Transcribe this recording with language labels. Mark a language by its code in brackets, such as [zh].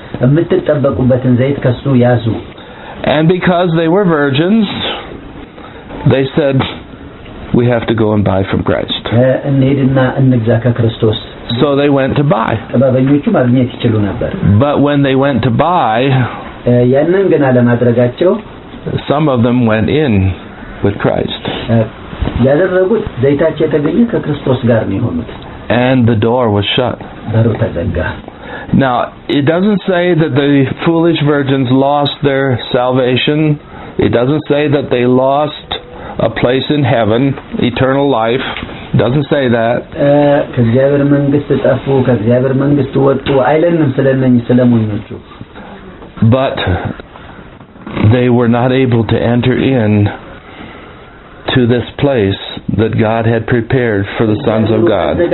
[en] And because they were virgins, they said, we have to go and buy from Christ. So they went to buy. But when they went to buy, [am] ያንን ግን አለማድረጋቸው [en] some of them went in with Christ. [am] ያደረጉት ዘይታቸው የተገኘ ከክርስቶስ ጋር ነው የሆኑት. [en] And the door was shut. [am] በሩ ተዘጋ. [en] Now, it doesn't say that the foolish virgins lost their salvation. It doesn't say that they lost a place in heaven, eternal life. Doesn't say that. [am] ከእግዚአብሔር መንግስት ጠፉ ከእግዚአብሔር መንግስት ወጡ አይለንም ስለነኝ ስለሞኞቹ. [en] But they were not able to enter in to this place that God had prepared for the sons of God.